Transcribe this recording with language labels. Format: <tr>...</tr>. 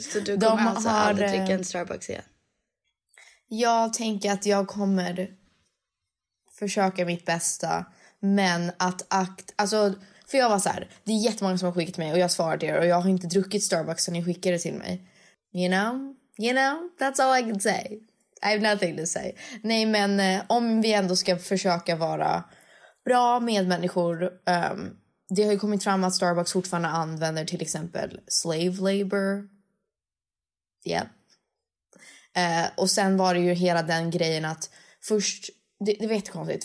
<sv>Så du kommer alltså aldrig dricka en Starbucks igen? Jag tänker att jag kommer försöka mitt bästa. Men att akt... Alltså, för jag var så här, det är jättemånga som har skickat mig och jag svarade er. Och jag har inte druckit Starbucks sen ni skickade till mig.</sv> <en>You know, that's all I can say. I have nothing to say.</en> <sv>Nej, men om vi ändå ska försöka vara bra medmänniskor. Det har ju kommit fram att Starbucks fortfarande använder till exempel</sv> <en>slave labor. Yep.</en> <sv>Och sen var det ju hela den grejen att först... Det var jättekonstigt.</sv>